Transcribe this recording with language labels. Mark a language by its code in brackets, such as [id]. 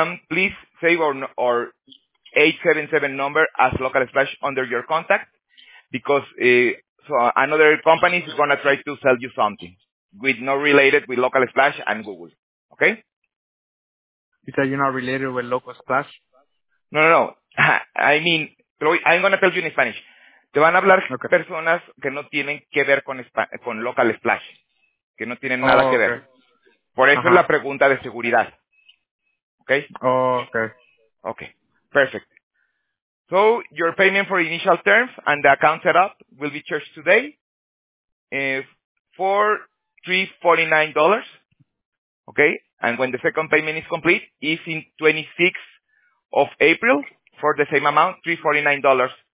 [en] Please save our 877 number as Local Splash under your contact, because so another company is going to try to sell you something with not related with Local Splash and Google. Okay? You said you're not related with Local Splash? No. I mean, I'm going to tell you in Spanish. [es] Te van a hablar personas que no tienen que ver con Local Splash, que no tienen nada que ver. Por eso es la pregunta de seguridad. ¿Ok? [en] Okay? Okay. Okay. Perfect. So your payment for initial terms and the account setup will be charged today for $349. Okay? And when the second payment is complete, is in 26th of April for the same amount, $349.